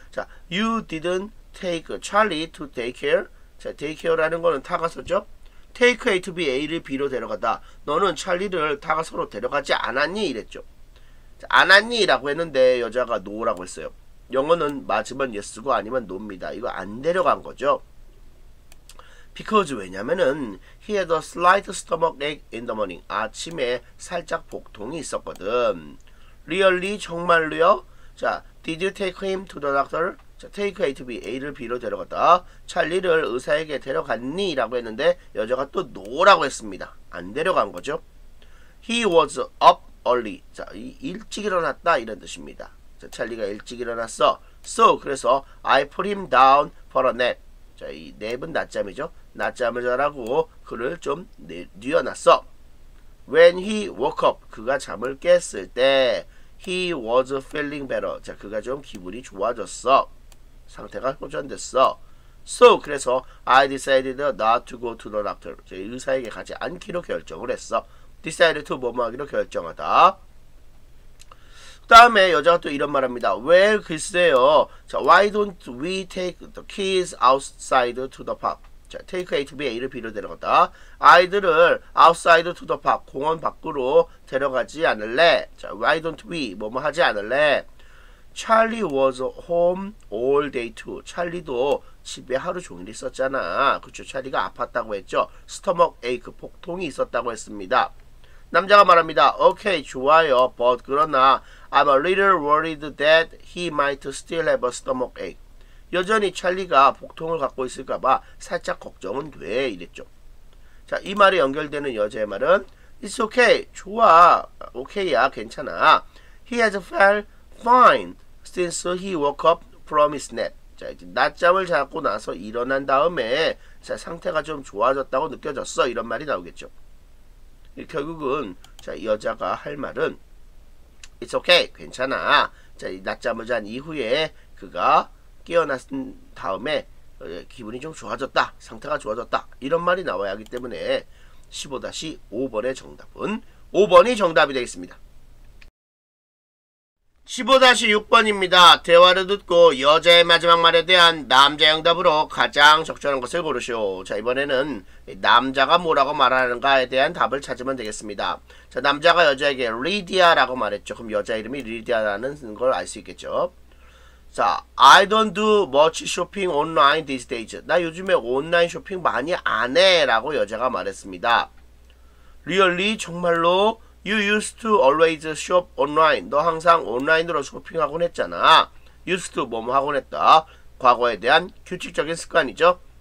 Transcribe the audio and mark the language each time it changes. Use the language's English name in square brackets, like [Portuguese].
[English] 자, You didn't take Charlie to daycare. [Korean] 자, daycare라는 거는 타가서죠. Take A to B, A를 B로 데려가다. 너는 찰리를 타가서로 데려가지 않았니? 이랬죠. 안았니? 라고 했는데 여자가 노라고 했어요. 영어는 맞으면 yes고 아니면 no입니다. 이거 안 데려간 거죠. [English] Because 왜냐면은 He had a slight stomach ache in the morning. [Korean] 아침에 살짝 복통이 있었거든. Really? 정말로요? [English] 자, Did you take him to the doctor? [Korean] 자, take A to B, A를 B로 데려갔다. 찰리를 의사에게 데려갔니? 라고 했는데 여자가 또 no라고 했습니다. 안 데려간 거죠. [English] He was up early. [Korean] 자, 일찍 일어났다 이런 뜻입니다. 자, 찰리가 일찍 일어났어. [English] So, 그래서 I put him down for a nap. [Korean] 자, 이 nap은 낮잠이죠. 낮잠을 자라고 그를 좀 뉘어놨어. [English] When he woke up, [Korean] 그가 잠을 깼을 때 [English] He was feeling better. [Korean] 자, 그가 좀 기분이 좋아졌어. 상태가 호전됐어. [English] So, 그래서 I decided not to go to the doctor. [Korean] 자, 의사에게 가지 않기로 결정을 했어. Decided to 뭐뭐하기로 결정하다. 그 다음에 여자가 또 이런 말합니다. Well, 글쎄요. [English] 자, why don't we take the kids outside to the park? [Korean] 자, take A to B, A를 B로 데려갔다. 아이들을 [English] outside to the park, [Korean] 공원 밖으로 데려가지 않을래? [English] 자, why don't we, [Korean] 뭐뭐 하지 않을래? [English] Charlie was home all day too. [Korean] 찰리도 집에 하루 종일 있었잖아. 그쵸, 찰리가 아팠다고 했죠. Stomach ache, 복통이 있었다고 했습니다. 남자가 말합니다. Okay, 좋아요. [English] But 그러나 I'm a little worried that he might still have a stomach ache. [Korean] 여전히 찰리가 복통을 갖고 있을까봐 살짝 걱정은 돼 이랬죠. 자, 이 말에 연결되는 여자의 말은 It's okay, 좋아, okay야, 괜찮아. [English] He has felt fine since he woke up from his nap. [Korean] 자, 이제 낮잠을 자고 나서 일어난 다음에 자, 상태가 좀 좋아졌다고 느껴졌어 이런 말이 나오겠죠. 결국은 자, 여자가 할 말은 It's okay, 괜찮아. 자, 낮잠을 잔 이후에 그가 깨어났은 다음에 기분이 좀 좋아졌다, 상태가 좋아졌다 이런 말이 나와야 하기 때문에 15-5번의 정답은 5번이 정답이 되겠습니다. 15-6번입니다. 대화를 듣고 여자의 마지막 말에 대한 남자의 응답으로 가장 적절한 것을 고르시오. 자, 이번에는 남자가 뭐라고 말하는가에 대한 답을 찾으면 되겠습니다. 자, 남자가 여자에게 리디아라고 말했죠. 그럼 여자 이름이 리디아라는 걸 알 수 있겠죠. [English] 자, I don't do much shopping online these days. [Korean] 나 요즘에 온라인 쇼핑 많이 안 해 라고 여자가 말했습니다. [English] Really? [Korean] 정말로? [English] You used to always shop online. [Korean] 너 항상 온라인으로 쇼핑하곤 했잖아. Used to 뭐뭐 하곤 했다. 과거에 대한 규칙적인 습관이죠.